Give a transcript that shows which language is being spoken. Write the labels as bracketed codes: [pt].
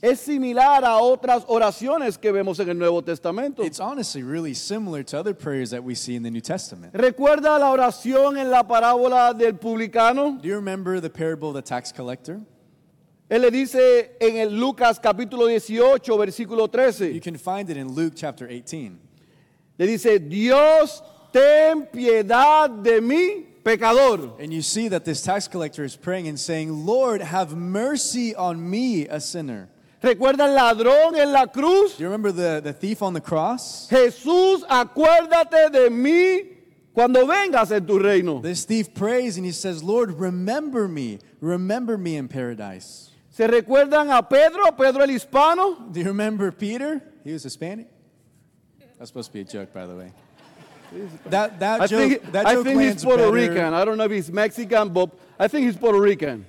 [es] Es similar a otras oraciones que vemos en el Nuevo Testamento. [en] It's honestly really similar to other prayers that we see in the New Testament. [es] ¿Recuerda la oración en la parábola del publicano? [en] Do you remember the parable of the tax collector? [es] Él le dice en el Lucas capítulo 18, versículo 13. [en] You can find it in Luke chapter 18. [es] Le dice, Dios, ten piedad de mí, pecador. [en] And you see that this tax collector is praying and saying, Lord, have mercy on me, a sinner. [es] ¿Recuerda el ladrón en la cruz? [en] Do you remember the thief on the cross? [es] Jesús, acuérdate de mí cuando vengas en tu reino. [en] This thief prays and he says, Lord, remember me in paradise. [es] ¿Se recuerdan a Pedro, Pedro el hispano? [en] Do you remember Peter? He was Hispanic. That's supposed to be a joke, by the way. That joke lands better. I think he's Puerto Rican. I don't know if he's Mexican, but I think he's Puerto Rican.